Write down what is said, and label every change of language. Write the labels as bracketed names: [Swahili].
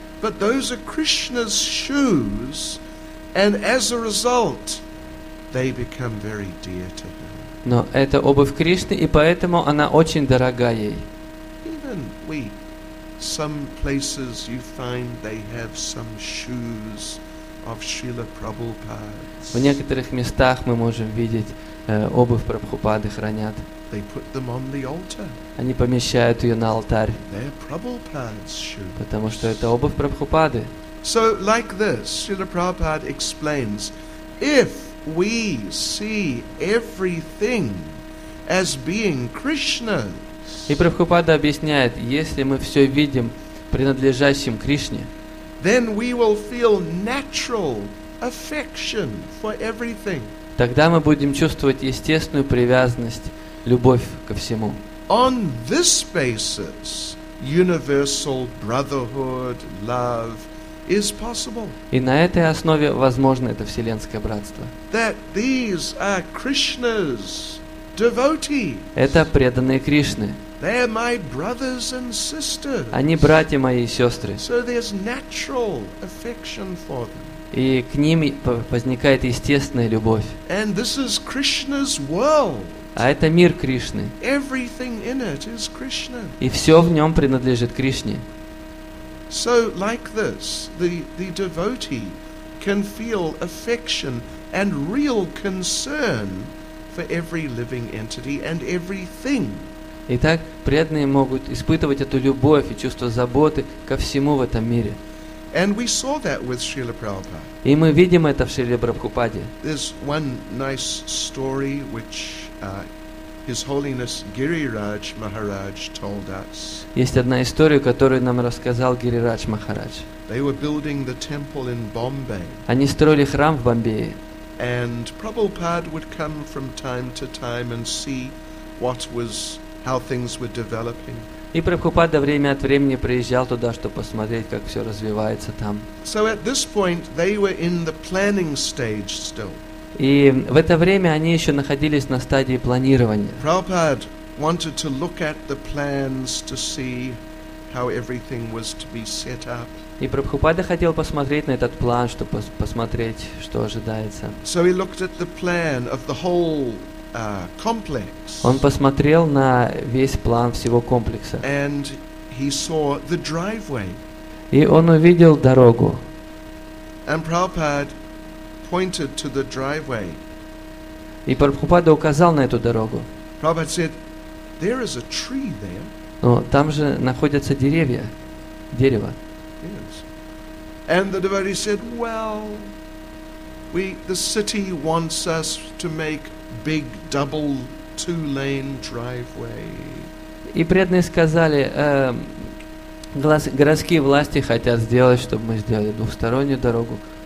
[English] But those are Krishna's shoes, and as a result, they become very dear to her. [Russian] Но это обувь Кришны, и поэтому она очень дорога ей. [English] Even we, some places you find they have some shoes of Srila Prabhupada's. [Russian] В некоторых местах мы можем видеть обувь Прабхупады хранят. [English] They put them on the altar. [Russian] Они помещают ее на алтарь. [English] They're Prabhupada's shoes. [Russian] Потому что это обувь Прабхупады. [English] So like this, Srila Prabhupada explains, if we see everything as being Krishna's. [Russian] И Прабхупада объясняет, если мы все видим принадлежащим Кришне, [English] then we will feel natural affection for everything. [Russian] Тогда мы будем чувствовать естественную привязанность, любовь ко всему. [English] On this basis, universal brotherhood, love is possible. [Russian] И на этой основе возможно это вселенское братство. [English] That these are Krishna's devotees. [Russian] Это преданные Кришны. [English] They are my brothers and sisters. [Russian] Они братья мои и сестры. [English] So there's natural affection for them. [Russian] И к ним возникает естественная любовь. [English] And this is Krishna's world. [Russian] А это мир Кришны. [English] Everything in it is Krishna. [Russian] И все в нем принадлежит Кришне. [English] So like this, the devotee can feel affection and real concern for every living entity and everything. [Russian] Итак, преданные могут испытывать эту любовь и чувство заботы ко всему в этом мире. [English] And we saw that with Srila Prabhupada. [Russian] И мы видим это в Шриле Прабхупаде. [English] There's one nice story which His Holiness Гирирадж Махарадж told us. [Russian] Есть одна история, которую нам рассказал Гирирадж Махарадж. [English] They were building the temple in Bombay. [Russian] Они строили храм в Бомбее. [English] And Prabhupada would come from time to time and see what was how things were developing. [Russian] И Прабхупада время от времени приезжал туда, чтобы посмотреть, как все развивается там. [English] So at this point they were in the planning stage still. [Russian] И в это время они еще находились на стадии планирования. [English] Prabhupada wanted to look at the plans to see how everything was to be set up. [Russian] И Прабхупада хотел посмотреть на этот план, чтобы посмотреть, что ожидается. [English] So he looked at the plan of the whole complex. [Russian] Он посмотрел на весь план всего комплекса. [English] And he saw the driveway. [Russian] И он увидел дорогу. [English] And Prabhupada pointed to the driveway. [Russian] И Прабхупада указал на эту дорогу. [English] Prabhupada said, "There is a tree there." [Russian] Но там же находятся деревья, дерево. [English] Yes. And the devotee said, "Well, the city wants us to make big double two-lane driveway." [Russian] И преданные сказали, городские власти хотят сделать, чтобы мы сделали двухстороннюю дорогу.